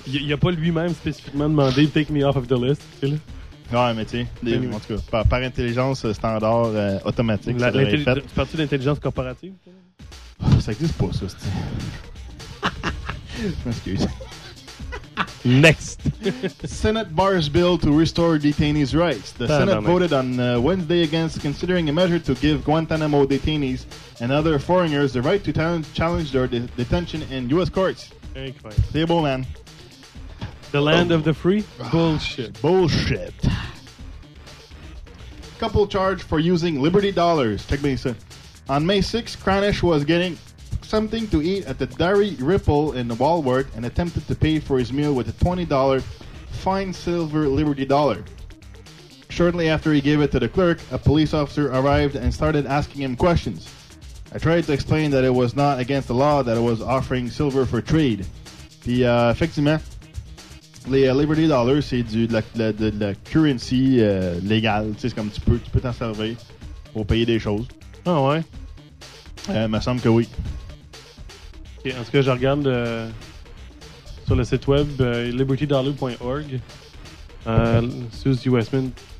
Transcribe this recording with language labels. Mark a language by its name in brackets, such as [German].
[French] Il a pas lui-même spécifiquement demandé « [English] Take me off of the list [French] », tu sais, là. Ouais, mais tu sais, en tout cas, par intelligence standard automatique, ça devrait être fait. Tu parles-tu d'intelligence corporative? Oh, ça existe pas, ça, c'est je m'excuse. [English] Next. Senate bars bill to restore detainees' rights. The Senate voted on Wednesday against considering a measure to give Guantanamo detainees and other foreigners the right to challenge their detention in U.S. courts. [French] Incroyable. C'est beau, man. [English] The land of the free? Bullshit. Bullshit. Couple charged for using Liberty dollars. Check me, sir. On May 6th, Cranish was getting something to eat at the Dairy Ripple in Walworth and attempted to pay for his meal with a $20 fine silver Liberty dollar. Shortly after he gave it to the clerk, a police officer arrived and started asking him questions. I tried to explain that it was not against the law that I was offering silver for trade. [French] Puis effectivement, les Liberty dollars, c'est de la currency légale. Tu sais, comme tu peux t'en servir pour payer des choses. Ah oh, ouais? Me semble que oui. En tout cas, je regarde sur le site web libertydollar.org. Suze Westman.